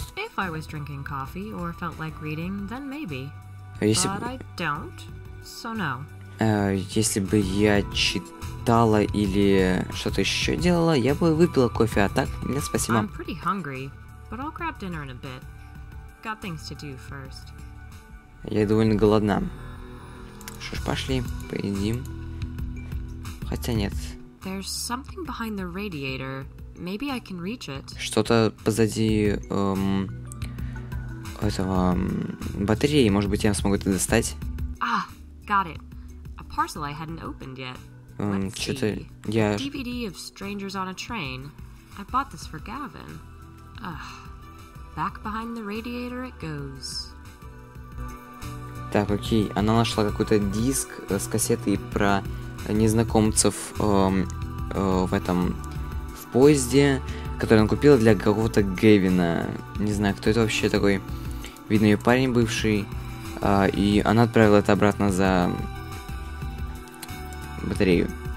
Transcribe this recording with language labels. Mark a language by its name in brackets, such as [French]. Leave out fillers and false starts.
[English] If I was drinking coffee or felt like reading, then maybe. [Russian] Если... [English] But I don't, so no. [Russian] Если бы я читала или что-то еще делала, я бы выпила кофе, а так, нет, спасибо. [English] I'm pretty hungry, but I'll grab dinner in a bit. Got things to do first. [Russian] Я довольно голодна. Что ж, пошли, поедим. Хотя нет. [English] There's something behind the radiator. Maybe I can reach it. [Russian] Что-то позади этого батареи, может быть, я смогу это достать. [English] Ah, got it. A parcel I hadn't opened yet. [Russian] Что-то я. [English] DVD of Strangers on a Train. I bought this for Gavin. Ugh. Back behind the radiator it goes. [Russian] Так, окей. Она нашла какой-то диск с кассетой про незнакомцев в этом. Поезде, который он купил для какого-то Гэвина. Не знаю, кто это вообще такой. Видно, ее парень бывший. И она отправила это обратно за батарею.